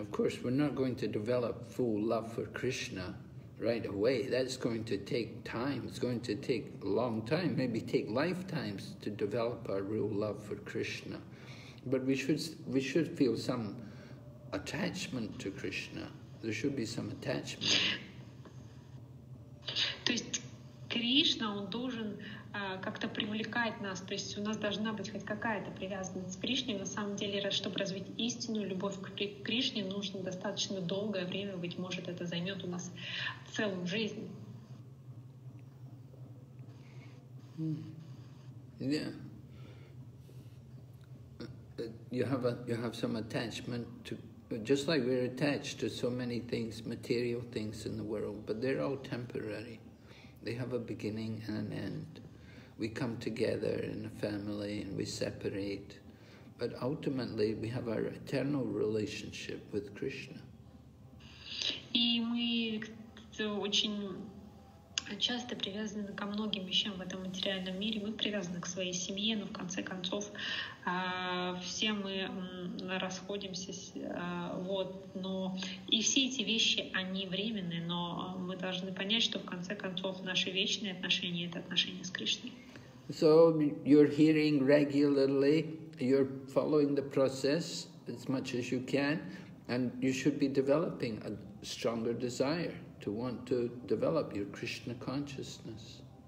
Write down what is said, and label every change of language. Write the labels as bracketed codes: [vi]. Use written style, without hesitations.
[en] Of course, we're not going to develop full love for Krishna right away. That's going to take time. It's going to take a long time, maybe take lifetimes to develop our real love for Krishna. But we should feel some attachment to Krishna. There should be some attachment. [ru] То есть Кришна, он должен как-то привлекать нас. То есть у нас должна быть хоть какая-то привязанность к Кришне. На самом деле, чтобы развить истинную любовь к Кришне, нужно достаточно долгое время, быть может, это займет у нас целую жизнь. [en] Yeah. You have some attachment to, just like we're attached to so many things, material things in the world, but they're all temporary. They have a beginning and an end. We come together in a family and we separate, but ultimately we have our eternal relationship with Krishna. [ru] И мы очень часто привязаны ко многим вещам в этом материальном мире. Мы привязаны к своей семье, но в конце концов все мы расходимся, вот, но и все эти вещи, они временные, но мы должны понять, что в конце концов наши вечные отношения — это отношения с Кришной. [en] So you're hearing regularly, you're following the process as much as you can, and you should be developing a stronger desire to want to develop your Krishna consciousness.